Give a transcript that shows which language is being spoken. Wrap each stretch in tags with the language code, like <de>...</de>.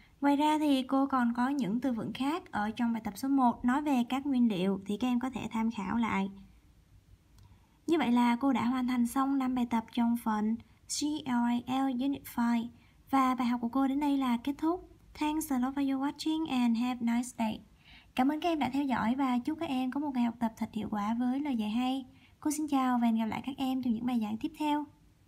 <vi>Ngoài ra thì cô còn có những từ vựng khác ở trong bài tập số 1 nói về các nguyên liệu thì các em có thể tham khảo lại. Như vậy là cô đã hoàn thành xong 5 bài tập trong phần GRL Unit 5 và bài học của cô đến đây là kết thúc.</vi> <en>Thanks a lot for your watching and have a nice day.</en> <vi>Cảm ơn các em đã theo dõi và chúc các em có một ngày học tập thật hiệu quả với lời dạy hay. Cô xin chào và hẹn gặp lại các em trong những bài giảng tiếp theo.</vi>